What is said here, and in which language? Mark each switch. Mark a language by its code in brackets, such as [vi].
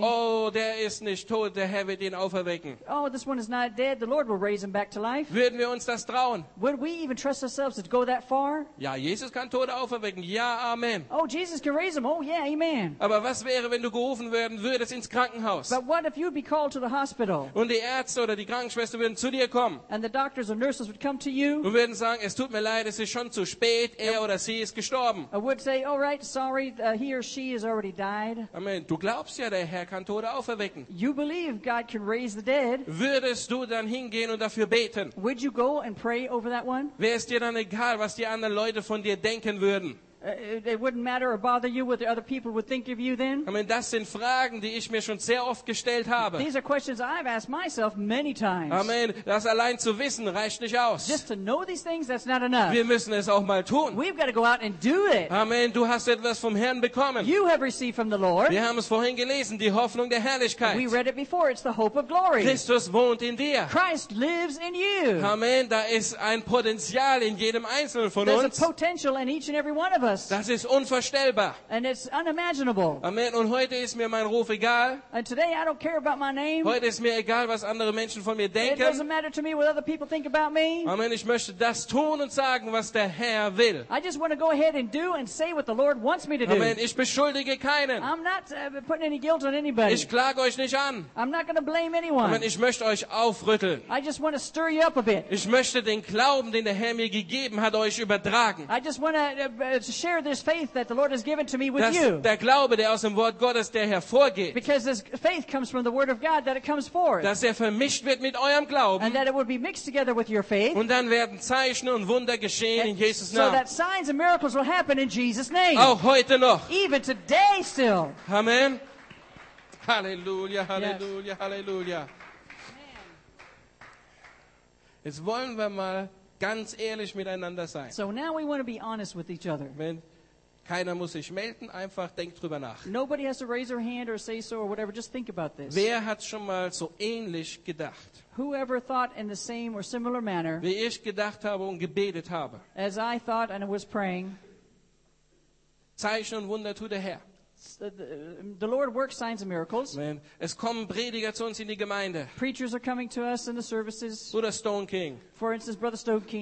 [de] Oh, der ist nicht tot, der Herr wird ihn auferwecken. [en] Oh, this one is not dead, the Lord will raise him back to life. [de] Würden wir uns das trauen? [en] Would we even trust ourselves to go that far? [de] Ja, Jesus kann Tote auferwecken. Ja, amen. [en] Oh, Jesus can raise him. Oh yeah, amen. [de] Aber was wäre, wenn du gerufen werden würdest ins Krankenhaus? [en] But what if you'd be called to the hospital? [de] Und die Ärzte oder die Krankenschwester würden zu dir kommen. [en] And the doctors or nurses would come to you. [de] Und würden sagen, es tut mir leid, es ist schon zu spät, er oder sie ist gestorben. [en] I would say, all right, sorry, he or she has already died. [de] Amen. Du glaubst ja, der Herr kann Tote auferwecken. [en] You believe God can raise the dead. [de] Würdest du dann hingehen und dafür beten? [en] Would you go and pray over that one? [de] Wäre es dir dann egal, was die anderen Leute von dir denken würden? [en] It wouldn't matter or bother you what the other people would think of you then. [de] I mean, das sind Fragen, die ich mir schon sehr oft gestellt habe. [en] These are questions I've asked myself many times. [de] I mean, das allein zu wissen reicht nicht aus. [en] Just to know these things, that's not enough. [de] Wir müssen es auch mal tun. [en] We've got to go out and do it. [de] I mean, du hast etwas vom Herrn bekommen. [en] You have received from the Lord. [de] Wir haben es vorhin gelesen, die Hoffnung der Herrlichkeit. [en] We read it before, it's the hope of glory. [de] Christus wohnt in dir. [en] Christ lives in you. [de] I mean, da ist ein Potenzial in jedem Einzelnen von [en] There's [de] uns. [en] There's a potential in each and every one of us. [de] Das ist unvorstellbar. [en] And it's unimaginable. [de] Amen. Und heute ist mir mein Ruf egal. [en] And today I don't care about my name. [de] Heute ist mir egal, was andere Menschen von mir denken. [en] It doesn't matter to me what other people think about me. [de] Amen. Ich möchte das tun und sagen, was der Herr will. [en] I just want to go ahead and do and say what the Lord wants me to do. [de] Amen. Ich beschuldige keinen. [en] I'm not putting any guilt on anybody. [de] Ich klage euch nicht an. [en] I'm not going to blame anyone. [de] Amen. Ich möchte euch aufrütteln. [en] I just want to stir you up a bit. [de] Ich möchte den Glauben, den der Herr mir gegeben hat, euch übertragen. [en] I just want to share this faith that the Lord has given to me with [de] das, [en] you. [de] Der Glaube, der aus dem Wort Gottes, der hervorgeht. [en] Because this faith comes from the word of God that it comes forth. [de] Dass er vermischt wird mit eurem Glauben. [en] And that it would be mixed together with your faith. [de] Und dann werden Zeichen und Wunder geschehen [en] and in Jesus' name. So that signs and miracles will happen in Jesus' name. Auch heute noch. Even today still. [de] Amen. Halleluja, Halleluja, yes. Halleluja. Amen. Jetzt wollen wir mal ganz ehrlich miteinander sein. [en] So now we want to be honest with each other. [de] Wenn keiner muss sich melden, einfach denkt drüber nach. [en] Nobody has to raise their hand or say so or whatever, just think about this. [de] Wer hat schon mal so ähnlich gedacht? [en] Whoever thought in the same or similar manner. [de] Wie ich gedacht habe und gebetet habe. [en] As I thought and I was praying. [de] Zeichen und Wunder tut der Herr. [en] The Lord works signs and miracles. [de] Amen. Es kommen Prediger zu uns in die Gemeinde. [en] Preachers are coming to us in the services. [de] Bruder Stone King. [en] For instance, Brother Stone King.